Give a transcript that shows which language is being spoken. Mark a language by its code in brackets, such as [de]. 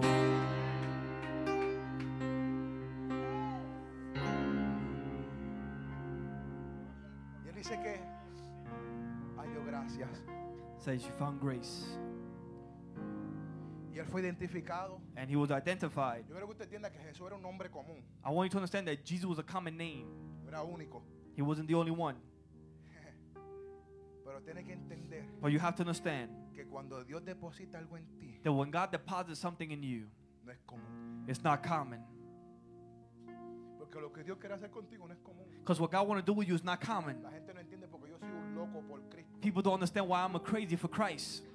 [es] Y él dice que halló gracias. [en] Says she found grace. [es] Y él fue identificado. [en] And he was identified. [es] Yo quiero que usted entienda que Jesús era un hombre común. [en] I want you to understand that Jesus was a common name. [es] Era único. [en] He wasn't the only one. [es] Pero tiene que entender. [en] But you have to understand. [es] Que cuando Dios deposita algo en ti. [en] That when God deposits something in you. [es] No es común. [en] It's not common. [es] Porque lo que Dios quiere hacer contigo no es común. [en] Because what God wants to do with you is not common. [es] La gente no entiende porque yo soy un loco por Cristo. [en] People don't understand why I'm a crazy for Christ.